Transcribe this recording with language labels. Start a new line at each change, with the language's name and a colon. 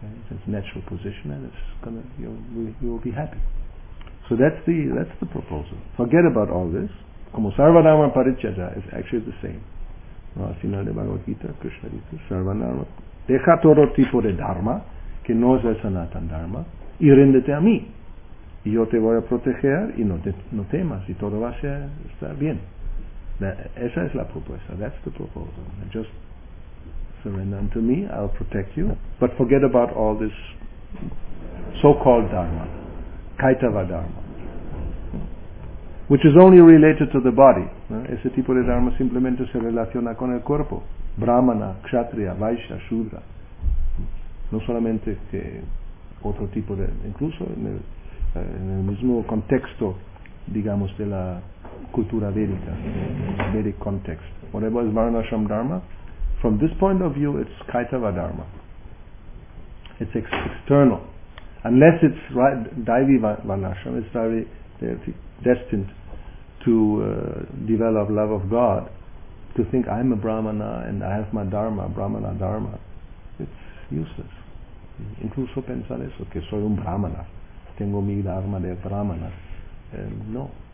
English: It's natural position and it's gonna, you'll be happy. So that's the proposal. Forget about all this. Como sarvanama parichaya is actually the same.
Spanish: No, al final de Bhagavad Gita, Krishna dice, sarvanama, deja todo tipo de dharma, que no es el Sanatana Dharma, y ríndete a mí. Y yo te voy a proteger y no temas, y todo va a estar bien. Esa es la propuesta,
English: that's the proposal. Just surrender unto me, I'll protect you. But forget about all this so-called dharma, Kaitava Dharma, which is only related to the body.
Spanish: Ese tipo de dharma simplemente se relaciona con el cuerpo. Brahmana, Kshatriya, Vaishya, Shudra. No solamente que otro tipo de... Incluso en el mismo contexto, digamos, de la cultura védica,
English: Vedic context. Whatever is Varnasham Dharma, from this point of view, it's Kaitava Dharma. It's external. Unless it's right, Daivi Varnasham, it's very destined to develop love of God, to think I'm a Brahmana and I have my Dharma, Brahmana Dharma, it's useless.
Spanish: Incluso pensar eso, que soy un Brahmana, tengo mi Dharma de Brahmana, no.